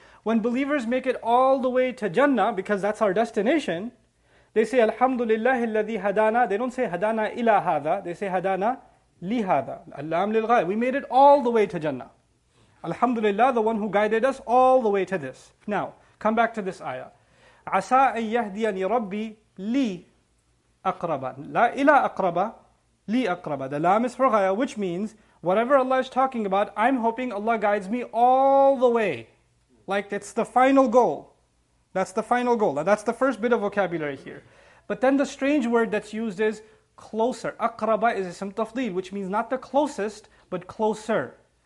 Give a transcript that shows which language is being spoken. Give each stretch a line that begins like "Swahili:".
English: When believers make it all the way to Jannah, because that's our destination, they say, Alhamdulillah
Arabic: الَّذِي هَدَانَا.
English: They don't say
Arabic: هَدَانَا إِلَىٰ هَذَا.
English: They say
Arabic: هَدَانَا لِهَذَا. اللَّهُمْ لِلْغَايَةِ.
English: We made it all the way to Jannah. Alhamdulillah, the one who guided us all the way to this. Now, come back to this ayah.
Arabic: عَسَىٰ أَن يَهْدِيَنِي رَبِّي لِي أَقْرَبَ. لَا إِلَىٰ أَقْرَبَ لِي أَقْرَبَ.
English: The lam is for ghaya, which means, whatever Allah is talking about, I'm hoping Allah guides me all the way. Like it's the final goal. That's the final goal. Now that's the first bit of vocabulary here. But then the strange word that's used is closer. أَقْرَبَ is a simtafdeel, which means not the closest, but closer.